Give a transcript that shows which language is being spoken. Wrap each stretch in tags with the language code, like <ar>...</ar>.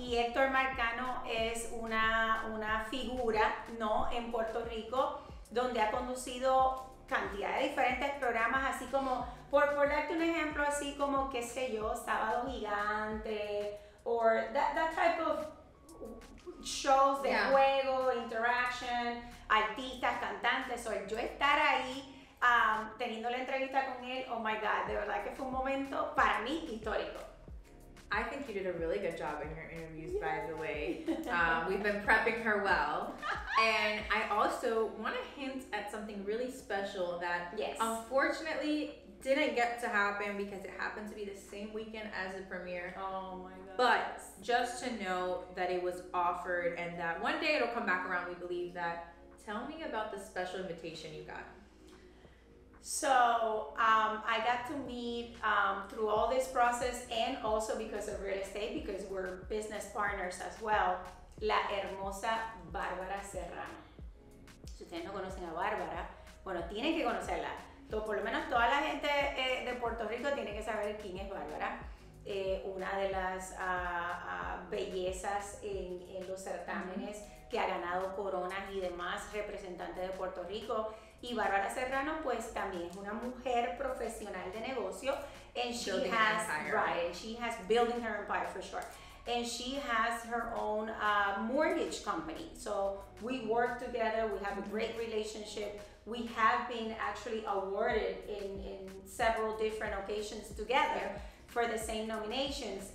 <es>Y Héctor Marcano es una figura, ¿no?, en Puerto Rico, donde ha conducido cantidad de diferentes programas, así como, por darte un ejemplo, así como, qué sé yo, Sábado Gigante,</es> <en>or that type of shows</en> <es>de juego, interaction, artistas, cantantes, o yo estar ahí teniendo la entrevista con él,</es> <en>oh my God,</en> <es>de verdad que fue un momento para mí histórico.</es> <en>I think you did a really good job in your interviews, by the way. We've been prepping her well. And I also want to hint at something really special that unfortunately didn't get to happen because it happened to be the same weekend as the premiere. Oh my God. But just to know that it was offered and that one day it'll come back around, we believe that. Tell me about the special invitation you got. So I got to meet through all this process and also because of real estate, because we're business partners as well,</en> <es>la hermosa Bárbara Serrano. Si ustedes no conocen a Bárbara, bueno, tienen que conocerla. Por lo menos toda la gente de Puerto Rico tiene que saber quién es Bárbara. Una de las bellezas en los certámenes que ha ganado coronas y demás, representante de Puerto Rico. Y Bárbara Serrano, pues también es una mujer profesional de negocio.</es> <en>And she building has, empire. Right, and she has building her empire for sure. And she has her own mortgage company. So we work together, we have a great relationship. We have been actually awarded in several different occasions together for the same nominations.</en>